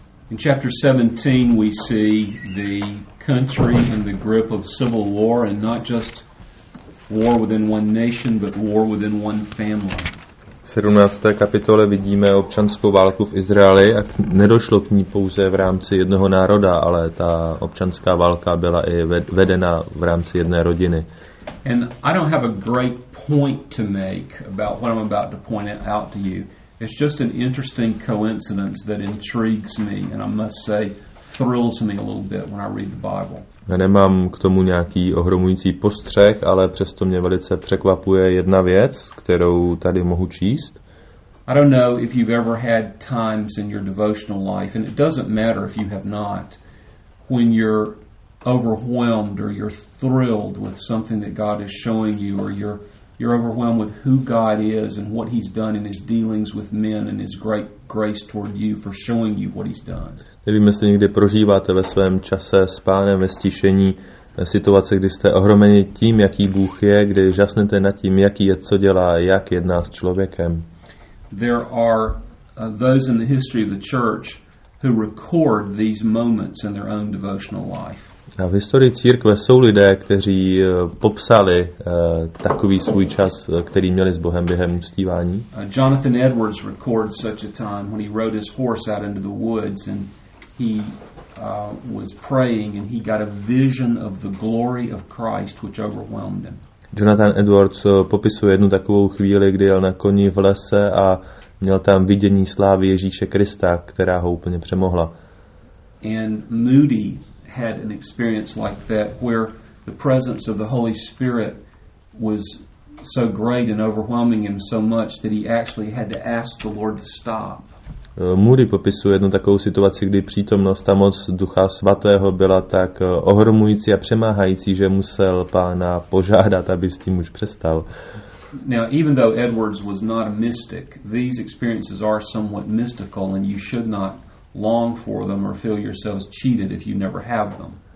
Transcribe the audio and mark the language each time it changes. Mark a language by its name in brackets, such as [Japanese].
[English] In chapter 17, we see the country in the grip of civil war, and not just war within one nation, but war within one family. [Czech] V 17. kapitole vidíme občanskou válku v Izraeli a nedošlo k ní pouze v rámci jednoho národa, ale ta občanská válka byla i vedena v rámci jedné rodiny. [English] And I don't have a great point to make about what I'm about to point out to you. It's just an interesting coincidence that intrigues me, and I must say, thrills me a little bit when I read the Bible. [Czech] Já nemám k tomu nějaký ohromující postřeh, ale přesto mě velice překvapuje jedna věc, kterou tady mohu číst. [English] I don't know if you've ever had times in your devotional life, and it doesn't matter if you have not, when you're overwhelmed or you're thrilled with something that God is showing you, or you're overwhelmed with who God is and what he's done in his dealings with men and his great grace toward you for showing you what he's done. [Czech] Nevím, jestli někdy prožíváte ve svém čase s Pánem ve stišení situace, kdy jste ohromeni tím, jaký Bůh je, kdy žasnete nad tím, jaký je, co dělá, jak jedná s člověkem. [English] There are those in the history of the church who record these moments in their own devotional life. [Czech] A v historii církve jsou lidé, kteří popsali takový svůj čas, který měli s Bohem během uctívání. [English] Jonathan Edwards records such a time when he rode his horse out into the woods and he was praying and he got a vision of the glory of Christ which overwhelmed him. [Czech] Jonathan Edwards popisuje jednu takovou chvíli, kdy jel na koni v lese a měl tam vidění slávy Ježíše Krista, která ho úplně přemohla. [English] And Moody had an experience like that where the presence of the Holy Spirit was so great and overwhelming him so much that he actually had to ask the Lord to stop. [Czech] Moody popisuje jednu takovou situaci, kdy přítomnost a moc Ducha Svatého byla tak ohromující a přemáhající, že musel Pána požádat, aby s tím už přestal. [English] Now, even though Edwards was not a mystic, these experiences are somewhat mystical and you should not long for them or feel yourselves cheated if you never have them.